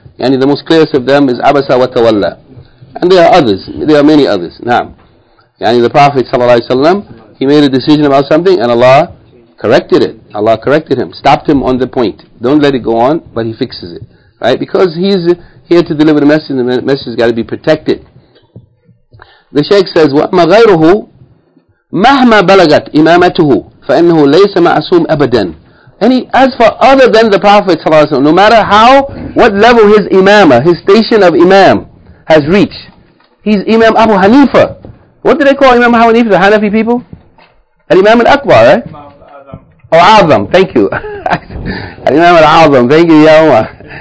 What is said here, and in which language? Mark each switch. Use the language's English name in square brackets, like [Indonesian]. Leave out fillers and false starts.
[English] And the most clearest of them is Abasa wa Tawalla. And there are others, there are many others. Now, yani the Prophet ﷺ, he made a decision about something and Allah corrected it. Allah corrected him, stopped him on the point. Don't let it go on, but he fixes it. Right? Because he's here to deliver the message, and the message has got to be protected. The Shaykh says, [Arabic] وَأَمَّا غَيْرُهُ مَهْمَا بَلَغَتْ إِمَامَتُهُ فَإِنَّهُ لَيْسَ مَعْصُومْ أَبَدًا. [English] And as for other than the Prophet ﷺ, no matter how, what level his imama, his station of imam has reached, he's Imam Abu Hanifa. What do they call Imam Abu Hanifa, the Hanafi people? Al-Imam Al-Akbar, right? Imam Al-Azam. Oh, Azam, thank you. Al-Imam Al-Azam, thank you, Ya Umar.